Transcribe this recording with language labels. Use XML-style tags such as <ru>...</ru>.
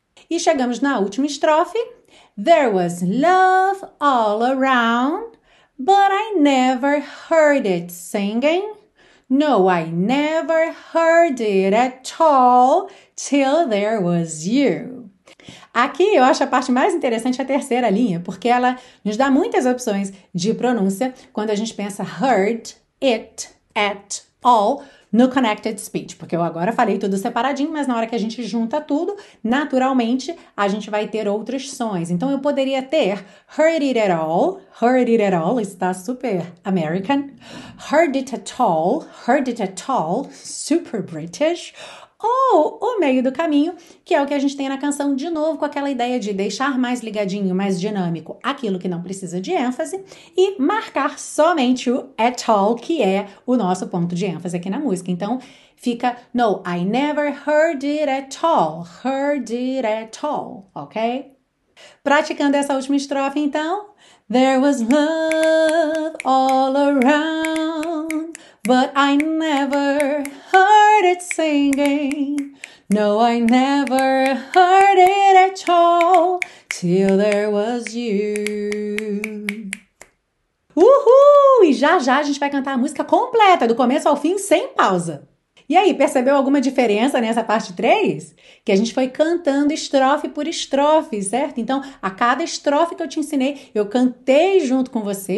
<pt>E chegamos na última estrofe.</pt> <en>There was love all around, but I never heard it singing. No, I never heard it at all till there was you.</en> <pt>Aqui eu acho a parte mais interessante a terceira linha, porque ela nos dá muitas opções de pronúncia quando a gente pensa</pt> <en>heard it at all</en> <pt>no</pt> <en>connected speech.</en> <pt>Porque eu agora falei tudo separadinho, mas na hora que a gente junta tudo, naturalmente a gente vai ter outros sons. Então eu poderia ter</pt> <en>heard it at all,</en> <pt>está super American, heard it at all, super British. Ou o meio do caminho, que é o que a gente tem na canção de novo, com aquela ideia de deixar mais ligadinho, mais dinâmico, aquilo que não precisa de ênfase, e marcar somente o</pt> <en>at all,</en> <pt>que é o nosso ponto de ênfase aqui na música. Então, fica no,</pt> <en>I never heard it at all. Heard it at all, ok?</en> <pt>Praticando essa última estrofe, então.</pt> <en>There was love all around, but I never heard it singing. No, I never heard it at all till there was you.</en> <pt>Uhul! E já já a gente vai cantar a música completa, do começo ao fim, sem pausa. E aí, percebeu alguma diferença nessa parte 3? Que a gente foi cantando estrofe por estrofe, certo? Então, a cada estrofe que eu te ensinei, eu cantei junto com você.</pt>